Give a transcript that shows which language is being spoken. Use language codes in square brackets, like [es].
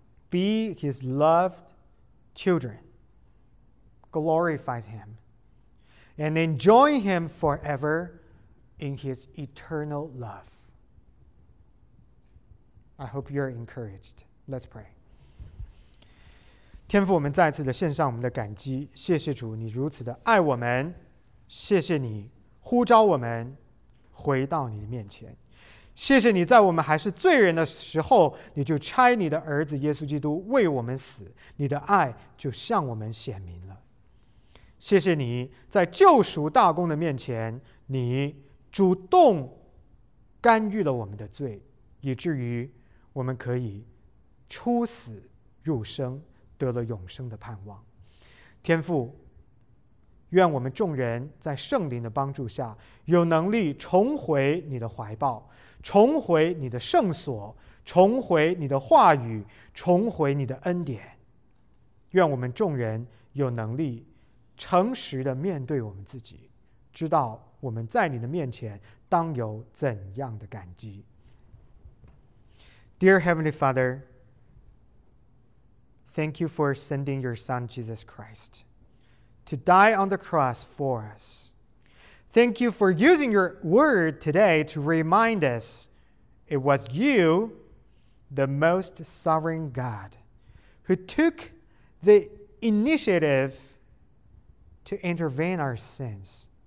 [en] Be His loved children. Glorify Him. And enjoy Him forever in His eternal love. I hope you're encouraged. Let's pray. [zh] 天父，我们再次的献上我们的感激，谢谢主，你如此的爱我们，谢谢你呼召我们回到你的面前，谢谢你在我们还是罪人的时候，你就差你的儿子耶稣基督为我们死，你的爱就向我们显明了。谢谢你在救赎大功的面前，你主动干预了我们的罪，以至于我们可以出死入生，得了永生的盼望。天父，愿我们众人在圣灵的帮助下，有能力重回你的怀抱，重回你的圣所，重回你的话语，重回你的恩典。愿我们众人有能力诚实地面对我们自己，知道我们在你的面前当有怎样的感激。 [en] Dear Heavenly Father, thank you for sending your Son Jesus Christ to die on the cross for us. Thank you for using your word today to remind us it was you, the most sovereign God, who took the initiative to intervene our sins.